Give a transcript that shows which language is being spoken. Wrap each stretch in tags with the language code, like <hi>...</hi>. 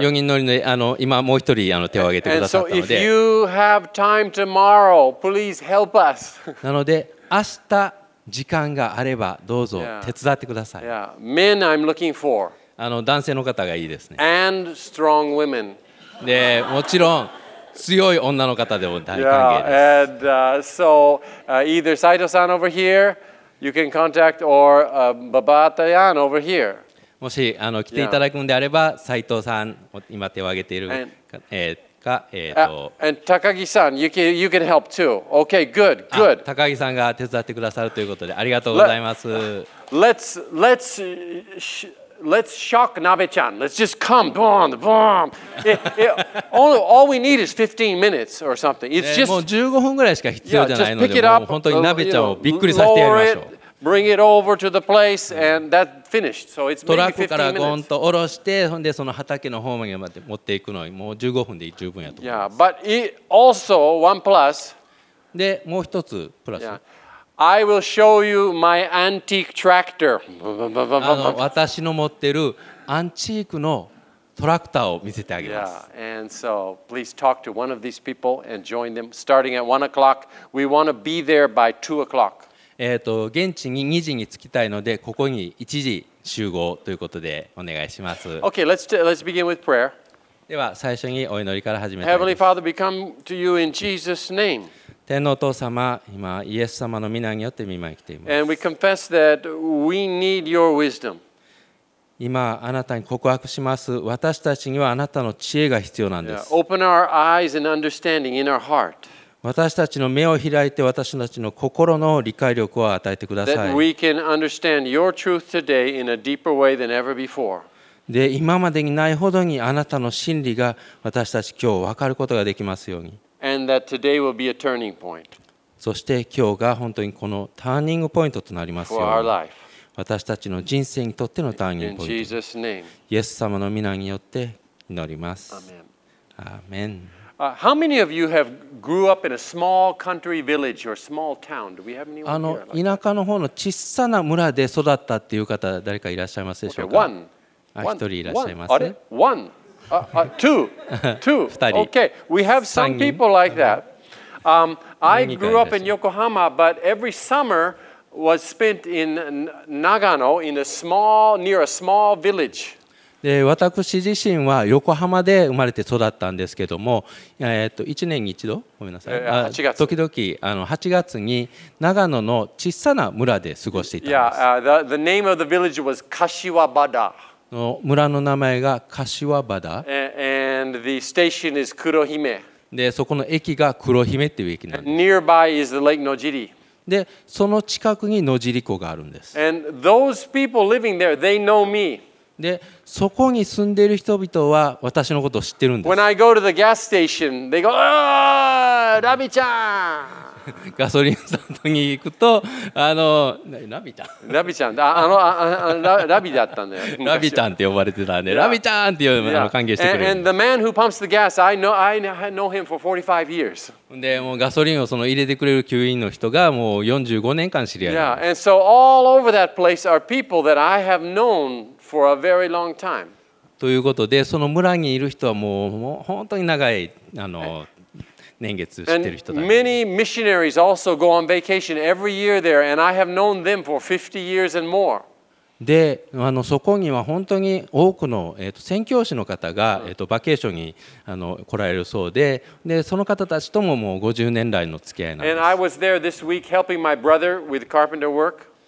<ja>4人乗りの今もう一人手を挙げてくださったので。</ja> <en>And so if you have time tomorrow, please help us.</en> <ja>なので明日時間があればどうぞ手伝ってください。</ja> <en>Yeah, men I'm looking for.</en> <ja>男性の方がいいですね。</ja> <en>And strong women.</en> <ja>でもちろん強い女の方でも大歓迎です。</ja> <en>Yeah, and so either Saito-san over here, you can contact, or Babatayan over here.</en> <ja>もし来ていただくのであれば、斉藤さん今手を挙げているか、</ja> <en>And Takagi-san, you can help too. Okay, good, good.</en> <ja>高木さんが手伝ってくださるということでありがとうございます。</ja> <en>Let's shock Nabe-chan. Let's just come, boom, boom. All we need is 15 minutes or something. It's just,</en> <ja>もう15分ぐらいしか必要じゃないので、</ja> <en>yeah, just pick it up,</en> <ja>本当に Nabe-chan をびっくりさせてやりましょう。</ja> <en>Lower it, bring it over to the place, and that finished. So it's maybe 15 minutes.</en> <ja>トラックからゴンと下ろして、ほんでその畑の方まで持っていくのにもう15分で十分やと思います。</ja> <en>Yeah, but it also one plus.</en> <ja>で、もう一つプラス。Yeah.</ja> <en>I will show you my antique tractor.</en> <ja>私の持ってるアンチークのトラクターを見せてあげます。</ja> <en>Yeah, and so please talk to one of these people and join them starting at 1 o'clock. We want to be there by 2 o'clock.</en> <ja>現地に2時に着きたいのでここに1時集合ということでお願いします。</ja> <en>Okay, let's begin with prayer.</en> <ja>では最初にお祈りから始めます。</ja> <en>Heavenly Father, we come to you in Jesus' name.</en> <ja>天のお父様、今イエス様の御名によって御前に来ています。</ja> <en>And we confess that we need your wisdom.</en> <ja>今あなたに告白します。私たちにはあなたの知恵が必要なんです。</ja> <en>Open our eyes and understanding in our heart.</en> <ja>私たちの目を開いて私たちの心の理解力を与えてください。</ja> <en>That we can understand your truth today in a deeper way than ever before.</en> <ja>で今までにないほどにあなたの真理が私たち今日分かることができますように。</ja> <en>And that today will be a turning point.</en> <ja>そして今日が本当にこのターニングポイントとなりますように。</ja> <en>For our life.</en> <ja>私たちの人生にとってのターニングポイント。</ja> <en>In Jesus' name.</en> <ja>イエス様の御名によって祈ります。</ja> <en>Amen. Amen. How many of you have grew up in a small country village or small town? Do we have anyone here?</en> <ja>田舎の方の小さな村で育ったっていう方誰かいらっしゃいますでしょうか。</ja> <en>Okay, one. One, two. Okay, we have some people like that. I grew up in Yokohama, but every summer was spent in Nagano, in a small, near a small village.</en> <ja>で私自身は横浜で生まれて育ったんですけども、1年に一度、ごめんなさい、 8月時々8月に長野の小さな村で過ごしていたんです。</ja> <en>Yeah, the name of the village was Kashiwabada.</en> <ja>の村の名前が柏原。</ja> <en>And the station is Kurohime.</en> <ja>で、そこの駅が Kurohime っていう駅なんです。</ja> <en>Nearby is the Lake Nojiri.</en> <ja>で、その近くに Nojiri 湖があるんです。</ja> <en>And those people living there, they know me.</en> <ja>で、そこに住んでいる人々は私のことを知ってるんです。</ja> <en>When I go to the gas station, they go, ラビちゃん。</en> <ja>ガソリンスタンドに行くとラビタラビちゃんラビだったんだよ。ラビタンって呼ばれてたんで、yeah. ラビタンって呼ぶのを歓迎してくれる。</ja> <en>And the man who pumps the gas, I know him for 45 years.</en> <ja>でもうガソリンをその入れてくれる給油員の人がもう45年間知り合い。</ja> <en>Yeah, and so all over that place are people that I have known for a very long time.</en> <ja>ということで、その村にいる人はもう本当に長い年月知ってる人だ。</ja> <en>And many missionaries also go on vacation every year there, and I have known them for 50 years and more.</en> <ja>で、そこには本当に多くの、宣教師の方が、バケーションに来られるそうで、で、その方たちとももう50年来の付き合いなんです。</ja> <en>And I was there this week helping my brother with carpenter work.</en>